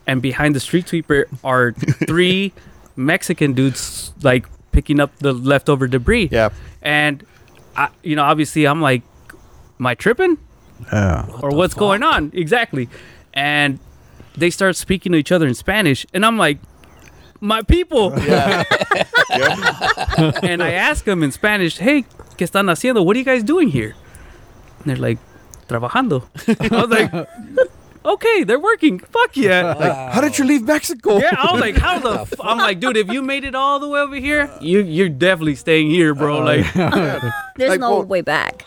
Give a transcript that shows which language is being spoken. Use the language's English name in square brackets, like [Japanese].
[English] And behind the street sweeper are three Mexican dudes, like, picking up the leftover debris. Yeah. And obviously I'm like, am I tripping? Yeah. What's going on? Exactly. And they start speaking to each other in Spanish, and I'm like, my people. Yeah. And I ask them in Spanish, hey, [Spanish] ¿qué están haciendo? [English] What are you guys doing here? And they're like, [Spanish] trabajando. [English] I was like, okay, they're working. Fuck yeah. Wow. Like, how did you leave Mexico? Yeah, I was like, how the fuck? I'm like, dude, if you made it all the way over here, you're definitely staying here, bro. Like, there's like, way back.